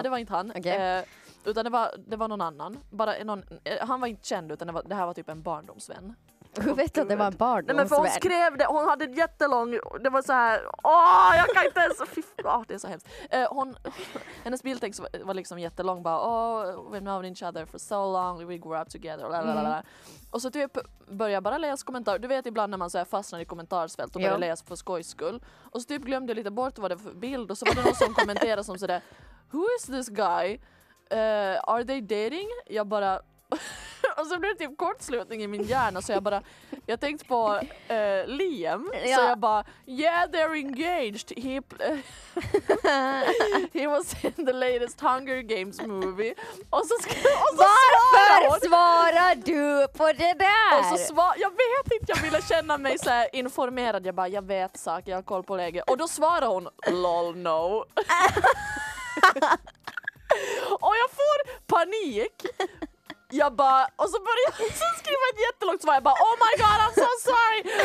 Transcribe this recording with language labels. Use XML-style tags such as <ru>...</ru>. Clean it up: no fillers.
<sv>Nej, det var inte han. Okay. Utan det var någon annan. Bara någon, han var inte känd, utan det här var typ en barndomsvän. Hur vet du att det var en barndomsvän? Nej, men för hon skrev det. Hon hade jättelång... Det var så här... Åh, jag kan inte ens... det är så hemskt. Hennes bildtext var liksom jättelång. Bara,</sv> <en>oh, we've known each other for so long. We grew up together. Mm.</en> <sv>Och så typ började bara läsa kommentar. Du vet ibland när man så här fastnar i kommentarsfält och börjar läsa för skojs skull. Och så typ glömde lite bort vad det var för bild. Och så var det någon som kommenterade som så där...</sv> <en>Who is this guy? Are they dating?</en> <sv>Jag bara... Och så blev det typ kortslutning i min hjärna, så jag tänkte på Liam, ja. Så jag bara,</sv> <en>yeah, they're engaged, he was in the latest Hunger Games movie,</en> <sv>Varför svarar du på det där? Jag vet inte, jag ville känna mig så här informerad, jag bara, jag vet saker, jag har koll på läget, och då svarar hon, lol, no. Och jag får panik. Jag bara, och så började jag så skriva ett jättelångt svar. Jag bara,</sv> <en>oh my god, I'm so sorry.</en>